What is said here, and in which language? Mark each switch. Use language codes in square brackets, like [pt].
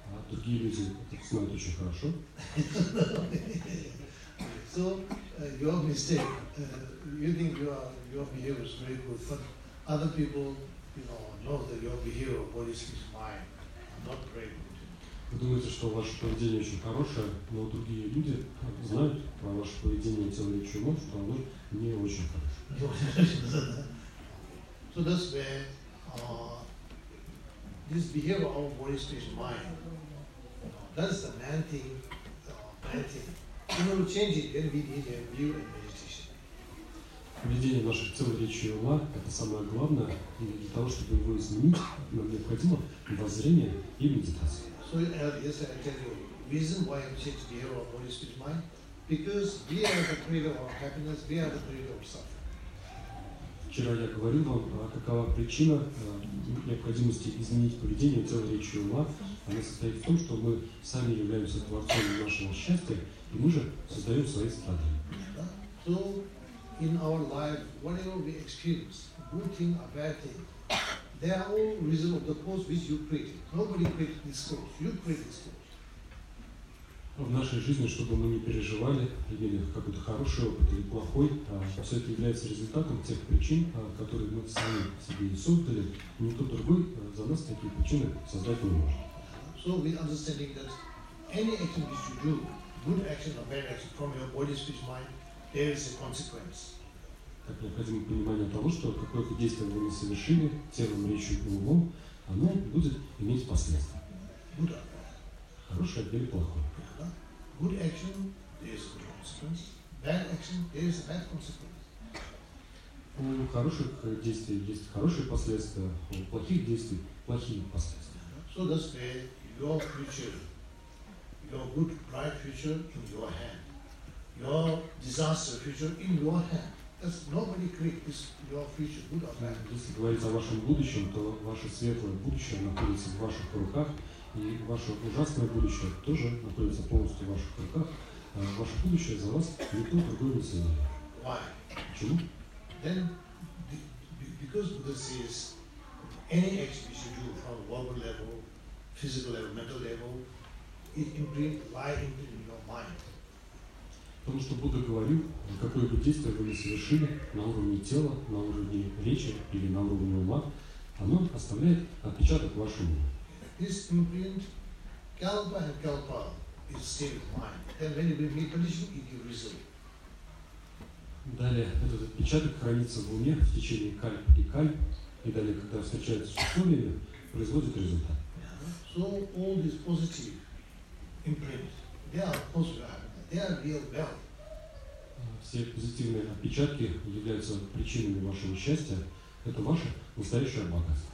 [ru] другие люди это знают очень хорошо. [en] So, your mistake, you think your behavior is very good, but other people, you know that your behavior, body, speech, mind, not very good. [ru] Вы думаете, что ваше поведение очень хорошее, но другие люди знают про ваше поведение тела и чего, что оно не очень хорошее. [en] So that's where this behavior of our body, speech, mind, that's the main thing, In order to change it, then we need a view and meditation. [ru] Поведение наших тел, речи и ума – это самое главное, и для того, чтобы его изменить, нам необходимо воззрение и медитация. [en] So, yes, I tell you, reason why I changed behavior of body, speech, mind, Because we are the creator of our happiness, we are the creator of suffering. [ru] Вчера я говорил вам, какова причина необходимости изменить поведение тела, речи и ума. Она состоит в том, что мы сами являемся творцом нашего счастья, и мы же создаем свои страдания. В нашей жизни, чтобы мы не переживали, имели какой-то хороший опыт или плохой, все это является результатом тех причин, которые мы сами себе и создали, и никто другой за нас такие причины создать не может. [en] So with understanding that any action which you do, good action or bad action from your body, speech, mind, there is a consequence. [ru] Так необходимо понимание того, что какое-то действие вы не совершили телом, речью и умом, оно будет иметь последствия. [en] Good. [ru] Хорошее или плохое. [en] Good action, there is a good consequence. Bad action, there is a bad consequence. [ru] У хороших действий есть хорошие последствия, у плохих действий плохие последствия. [en] So that's where your future, your good, bright future in your hand, your disaster future in your hand. That's nobody create this your future, good or bad. [ru] Если говорить о вашем будущем, то ваше светлое будущее находится в ваших руках. И ваше ужасное будущее тоже находится полностью в ваших руках. Ваше будущее за вас никто другой не сделает. [en] Why? [ru] Почему? [en] Then, because Buddha says, any action which you do from verbal level, physical level, mental level, it imprint, lie imprint in your mind. [ru] Потому что Будда говорил, какое бы действие вы ни совершили на уровне тела, на уровне речи или на уровне ума, оно оставляет отпечаток в вашем уме. [en] This imprint, kalpa and kalpa, is state of mind. Then when you meet condition, it gives result. [ru] Далее этот отпечаток хранится в уме в течение кальп и кальп, и далее, когда встречается с условиями, производит результат. [en] Yeah. So all these positive imprints, they are positive, they are real wealth. [ru] Все позитивные отпечатки являются причинами вашего счастья. Это ваше настоящее богатство.